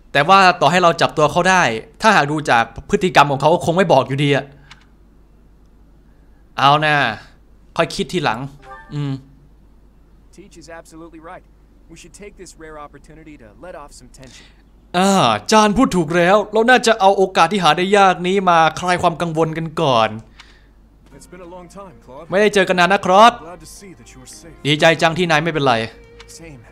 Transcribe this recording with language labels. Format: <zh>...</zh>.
<th>แต่ว่าต่อให้เราจับตัวเขาได้ถ้าหากดูจากพฤติกรรมของเขาก็คงไม่บอกอยู่ดีอะเอาน่ะค่อยคิดทีหลัง</th> <en>Teach is absolutely right. We should take this rare opportunity to let off some tension.</en> <th>จานพูดถูกแล้วเราน่าจะเอาโอกาสที่หาได้ยากนี้มาคลายความกังวลกันก่อน</th> <en>It's been a long time, Claude.</en> <th>ไม่ได้เจอกันนานนะครอสดีใจจังที่นายไม่เป็นไร Same.</th>